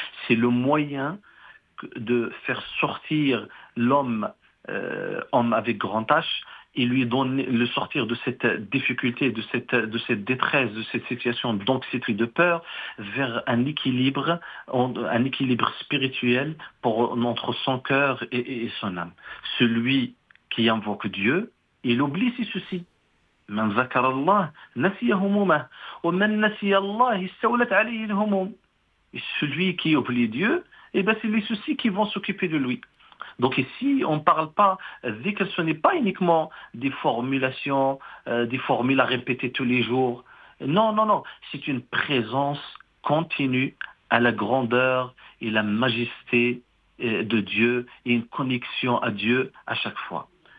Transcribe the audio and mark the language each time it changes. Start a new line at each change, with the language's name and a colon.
French: C'est le moyen de faire sortir l'homme, homme avec grand H, et lui donner le sortir de cette difficulté, de cette détresse, de cette situation d'anxiété, de peur, vers un équilibre spirituel pour entre son cœur et son âme. Celui qui invoque Dieu, il oublie ses soucis.
Arabic: من ذكر الله نسي همومه ومن نسي الله استولت عليه الهموم.
French: Celui qui oublie Dieu, et ben c'est les soucis qui vont s'occuper de lui. Donc ici, on ne parle pas, zikr, ce n'est pas uniquement des formulations, des formules à répéter tous les jours. Non, non, non, c'est une présence continue à la grandeur et la majesté de Dieu, et une connexion à Dieu à chaque fois.